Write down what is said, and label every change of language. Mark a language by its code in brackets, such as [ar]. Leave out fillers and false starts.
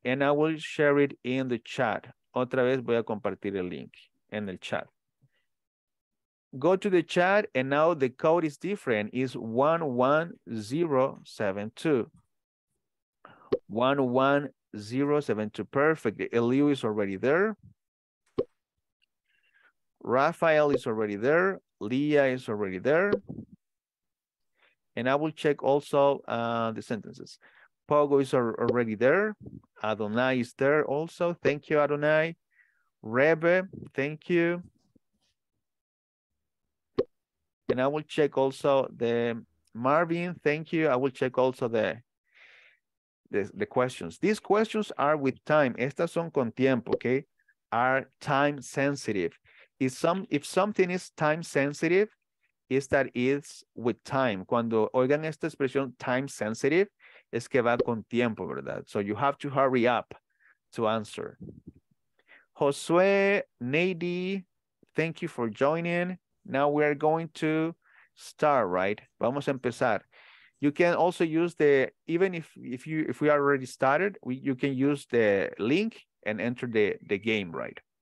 [en] And I will share it in the chat. [es] Otra vez voy a compartir el link en el chat. [en] Go to the chat and now the code is different. It's 11072. 11072. Perfect. Eliu is already there. Rafael is already there. Leah is already there. And I will check also the sentences. Pogo is already there. Adonai is there also. Thank you, Adonai. Rebbe, thank you. And I will check also the Marvin, thank you. I will check also the questions. These questions are with time. [es] Estas son con tiempo, [en] okay? are time sensitive. If something is time sensitive, is that it's with time. [es] Cuando oigan esta expresión [en] time sensitive, [es] es que va con tiempo, ¿verdad? [en] So you have to hurry up to answer. Josué, Nady, thank you for joining. Now we are going to start, right? [es] Vamos a empezar. [en] You can also use the, even if we already started, you can use the link and enter the game, right?